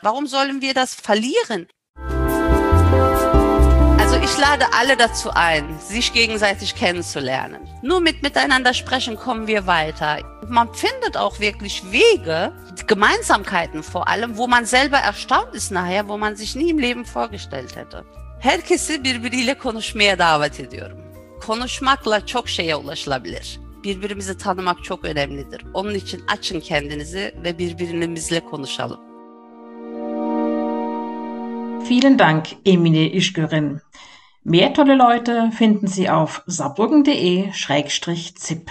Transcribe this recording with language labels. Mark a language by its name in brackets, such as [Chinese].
[German] Warum sollen wir das verlieren? Also ich lade alle dazu ein, sich gegenseitig kennenzulernen. Nur mit miteinander sprechen kommen wir weiter. Man findet auch wirklich Wege, Gemeinsamkeiten vor allem, wo man selber erstaunt ist nachher, wo man sich nie im Leben vorgestellt hätte. [Turkish] Herkesi birbiriyle konuşmaya davet ediyorum. Konuşmakla çok şeye ulaşılabilir. Birbirimizi tanımak çok önemlidir. Onun için açın kendinizi ve birbirimizle konuşalım. [German] Vielen Dank, Emine İşgören. Mehr tolle Leute finden Sie auf saarbrücken.de/zip.